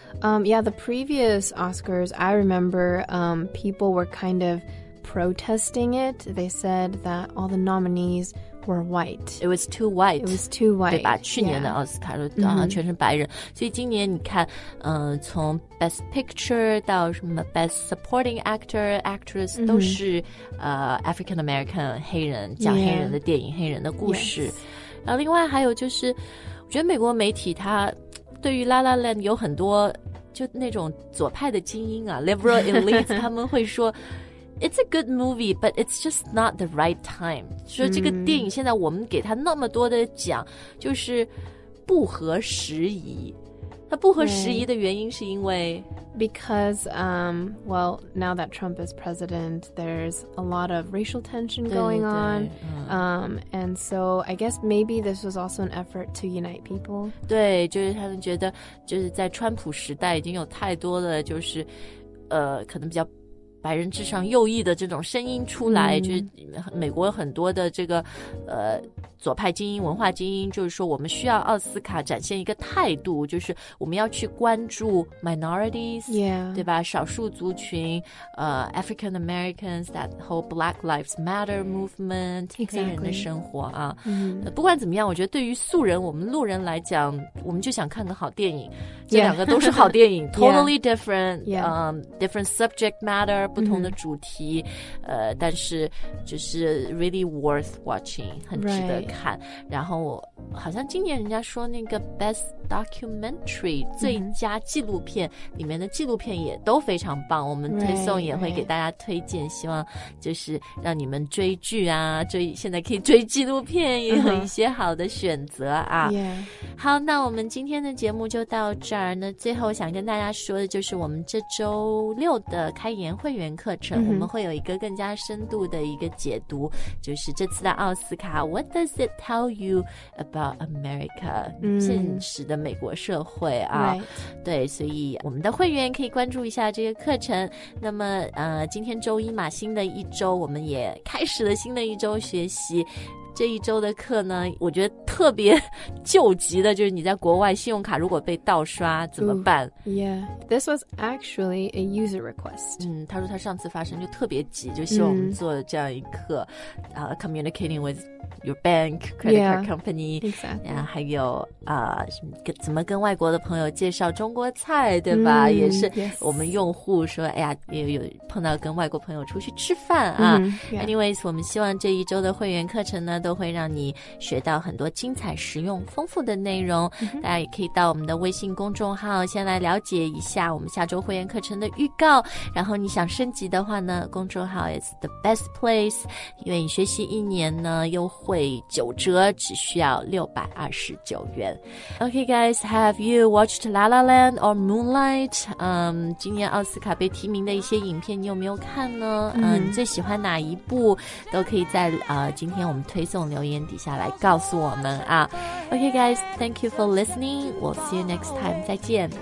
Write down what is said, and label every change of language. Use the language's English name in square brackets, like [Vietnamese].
[English] Yeah, the previous Oscars, I remember people were kind of protesting it. They said that all the nominees were white. It was too white. It was too white. [Chinese] 对吧? 去年的奥斯卡都全是白人。 Mm-hmm. 所以今年你看, 从 Best Picture 到什么 Best Supporting Actor, Actress, mm-hmm. 都是, African American, 黑人, 讲黑人的电影, [English] yeah. [Chinese] 黑人的故事。 [English] Yes. [Chinese] 然后另外还有就是, 我觉得美国媒体它, 对于La La Land 有很多, 就那种左派的精英啊, [English] liberal elites, [Chinese] 他们会说, [English] It's a good movie, but it's just not the right time. [Chinese] 说这个电影现在我们给它那么多的奖, 就是不合时宜。它不合时宜的原因是因为, [English] Because, well, now that Trump is president, there's a lot of racial tension going on. And so I guess maybe this was also an effort to unite people. [Chinese] 对，就是他们觉得就是在川普时代已经有太多的就是可能比较 白人至上右翼的这种声音出来, 就是美国很多的这个左派精英文化精英, 就是说我们需要奥斯卡展现一个态度, 就是我们要去关注 minorities, [English] yeah. [Chinese] 对吧, 少数族群, [English] African Americans, that whole Black Lives Matter movement, exactly. [Chinese] 黑人的生活啊, 不管怎么样, 我觉得对于素人, 我们路人来讲, 我们就想看个好电影, 这两个都是好电影, [English] yeah. totally different, yeah. Different subject matter, [Chinese] 不同的主题, [English] mm-hmm. [Chinese] 但是就是 [English] really worth watching, [Chinese] 很值得看。 [English] Right. [Chinese] 然后好像今年人家说那个 best documentary, mm-hmm. 最佳纪录片, 里面的纪录片也都非常棒, 我们推送也会给大家推荐, [English] right, right. [Chinese] 希望就是让你们追剧啊, 现在可以追纪录片, 也有一些好的选择啊。 [English] Uh-huh. Yeah. [Chinese] 好, 那我们今天的节目就到这,这儿，那最后想跟大家说的就是我们这周六的开言会员课程，我们会有一个更加深度的一个解读，就是这次的奥斯卡 [English] What does it tell you about America？ [Chinese] 现实的美国社会啊， [English] right. [Chinese] 对，所以我们的会员可以关注一下这个课程。那么今天周一嘛，新的一周我们也开始了新的一周学习。这一周的课呢，我觉得特别救急的就是你在国外信用卡如果被盗刷怎么办。 [English] Ooh, Yeah, this was actually a user request. [Chinese] 他说他上次发生就特别急，就希望我们做这样一课 [English] communicating with your bank, credit yeah, card company. Exactly. [Chinese] 然后还有怎么跟外国的朋友介绍中国菜，对吧？也是我们用户说，哎呀，也有碰到跟外国朋友出去吃饭啊。 [English] Anyways, [Chinese] 我们希望这一周的会员课程呢都会让你学到很多精彩实用丰富的内容，大家也可以到我们的微信公众号先来了解一下我们下周会员课程的预告，然后你想升级的话呢，公众号 [English] is the best place, [Chinese] 因为你学习一年呢优惠九折，只需要629元。 [English] Okay guys, have you watched La La Land or Moonlight? [Chinese] 今年奥斯卡被提名的一些影片你有没有看呢？你最喜欢哪一部都可以在今天我们推送留言底下来告诉我们啊。 [English] Okay guys, thank you for listening. We'll see you next time. [Chinese] 再见。